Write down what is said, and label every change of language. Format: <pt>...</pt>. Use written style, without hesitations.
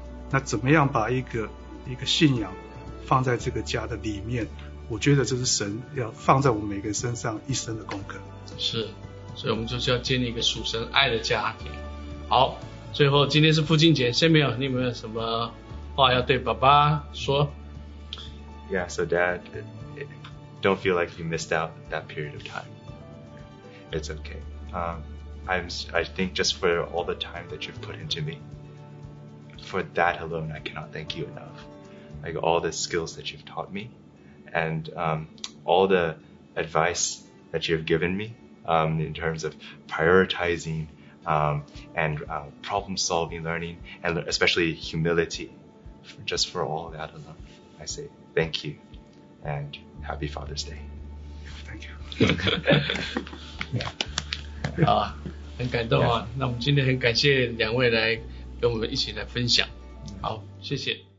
<zh>那怎么样把一个信仰放在这个家的里面，我觉得这是神要放在我们每个人身上一生的功课。是，所以我们就是要建立一个属神爱的家庭。好，最后今天是父亲节，下面你们有什么话要对爸爸说？</zh> <en>Yeah, so dad, don't feel like you missed out that period of time. It's okay. I think just for all the time that you've put into me, for that alone, I cannot thank you enough. Like all the skills that you've taught me and all the advice that you've given me in terms of prioritizing problem solving, learning, and especially humility, just for all that alone, I say thank you and happy Father's Day. Thank you. Yeah.</en> <zh>很感动啊。 那我们今天很感谢两位来跟我们一起来分享。好，谢谢。</zh>